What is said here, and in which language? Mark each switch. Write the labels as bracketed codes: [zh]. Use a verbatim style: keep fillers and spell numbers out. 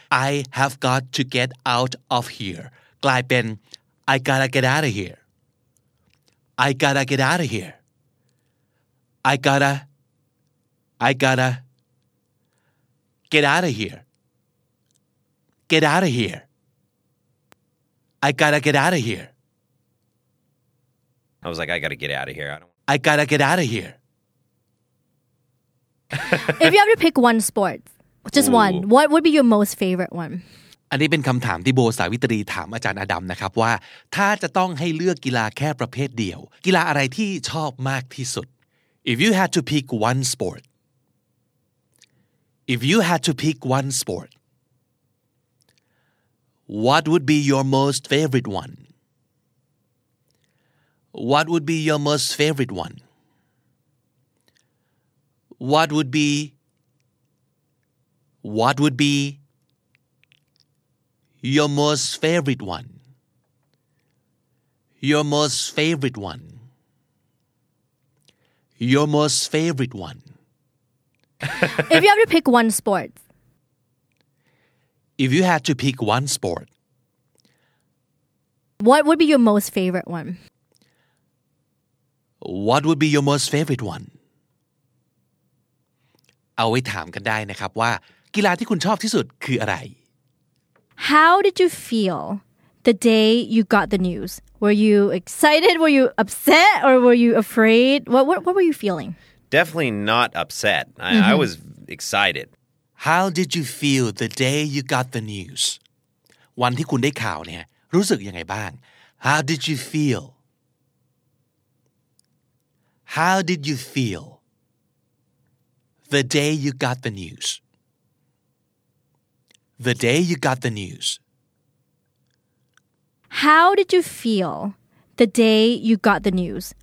[en] I have got to get out of here [th] กลายเป็น [en] I gotta get out of here I gotta get out of here I gotta I gotta get out of here Get out of here I gotta get out of here. I was like, I gotta get out of here. I don't. I gotta get out of here. If you have to pick one sport, just Ooh. one, what would be your most favorite one? [th] อันนี้เป็นคำถามที่โบสาวิตรีถามอาจารย์อดัมนะครับว่าถ้าจะต้องให้เลือกกีฬาแค่ประเภทเดียวกีฬาอะไรที่ชอบมากที่สุด [en] If you had to pick one sport, [th] if you had to pick one sport. [en] What would be your most favorite one? What would be your most favorite one? What would be What would be your most favorite one? Your most favorite one. Your most favorite one. If you have to pick one sport. If you had to pick one sport, what would be your most favorite one? What would be your most favorite one? [th] เอาไว้ถามกันได้นะครับว่ากีฬาที่คุณชอบที่สุดคืออะไร [en] How did you feel the day you got the news? Were you excited? Were you upset? Or were you afraid? What what, what were you feeling? Definitely not upset. I, mm-hmm. I was excited. How did you feel the day you got the news? [th] วันที่คุณได้ข่าวเนี่ยรู้สึกยังไงบ้าง [en] How did you feel? How did you feel the day you got the news? The day you got the news. How did you feel the day you got the news?